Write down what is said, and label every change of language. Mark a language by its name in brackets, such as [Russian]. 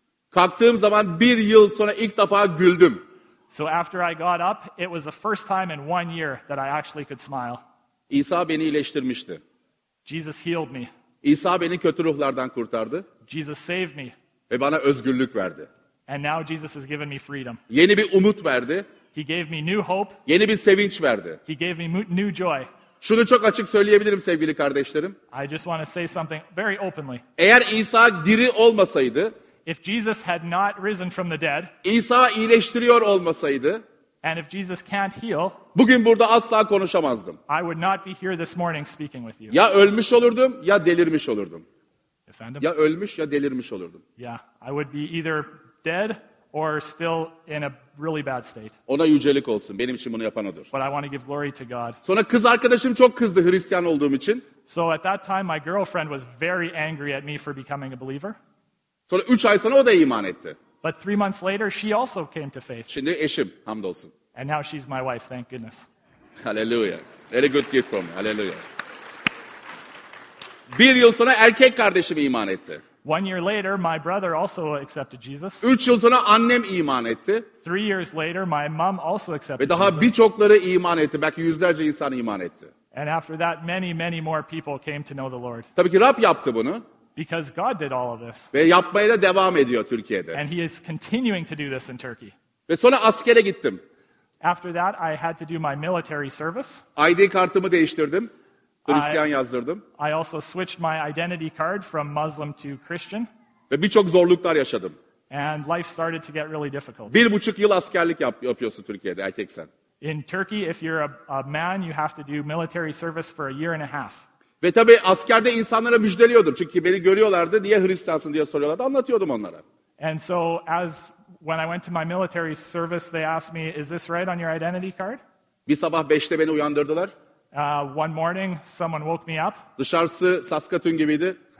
[Turkish] Kalktığım zaman bir yıl sonra ilk defa güldüm. [English] So after I got up, it was the first time in 1 year that I actually could smile. [Turkish] İsa beni iyileştirmişti. [English] Jesus healed me. [Turkish] İsa beni kötü ruhlardan kurtardı. [English] Jesus saved me. [Turkish] Ve bana özgürlük verdi. [English] And now Jesus has given me freedom. [Turkish] Yeni bir umut verdi. [English] He gave me new hope. [Turkish] Yeni bir sevinç verdi. [English] He gave me new joy. [Turkish] Şunu çok açık söyleyebilirim sevgili kardeşlerim. [English] I just want to say something very openly. [Turkish] Eğer İsa diri olmasaydı, [English] if Jesus had not risen from the dead, [Turkish] İsa iyileştiriyor olmasaydı, [English] and if Jesus can't heal, [Turkish] bugün burada asla konuşamazdım. [English] I would not be here this morning speaking with you. [Turkish] Ya ölmüş olurdum ya delirmiş olurdum. Efendim? Ya ölmüş ya delirmiş olurdum. [English] Yeah, I would be either dead or still in a really bad state. [Turkish] Ona yücelik olsun. Benim için bunu yapan odur. [English] But I want to give glory to God. [Turkish] Sonra kız arkadaşım çok kızdı Hristiyan olduğum için. [English] So at that time my girlfriend was very angry at me for becoming a believer. [Turkish] Sonra 3 ay sonra o da iman etti. [English] But 3 months later she also came to faith. [Turkish] Şimdi eşim, hamdolsun. [English] And now she's my wife, thank goodness. Hallelujah. Very good gift from me. Hallelujah. [Turkish] Bir yıl sonra erkek kardeşim iman etti. [English] 1 year later, my brother also accepted Jesus. [Turkish] 3 yıl sonra annem iman etti. [English] 3 years later, my mom also accepted [Turkish] Jesus. Ve daha birçokları iman etti. Belki yüzlerce insan iman etti. [English] And after that, many, many more people came to know the Lord. [Turkish] Tabii ki Rab yaptı bunu. [English] Because God did all of this. [Turkish] Ve yapmaya da devam ediyor Türkiye'de. [English] And he is continuing to do this in Turkey. [Turkish] Ve sonra askere gittim. [English] After that, I had to do my military service. [Turkish] ID kartımı değiştirdim. Hristiyan yazdırdım. [English] I also switched my identity card from Muslim to Christian. [Turkish] Ve birçok zorluklar yaşadım. [English] And life started to get really difficult. [Turkish] 1,5 yıl askerlik yapıyorsun Türkiye'de erkeksen. [English] In Turkey, if you're a man, you have to do military service for a year and a half. [Turkish] Ve tabii askerde insanlara müjdeliyordum. Çünkü beni görüyorlardı. Niye Hristiyansın diye soruyorlardı. Anlatıyordum onlara. [English] And so as when I went to my military service, they asked me, is this right on your identity card? [Turkish] Bir sabah 5'te beni uyandırdılar. [English] One morning, someone woke me up. [Turkish] Dışarısı Saskatoon gibiydi.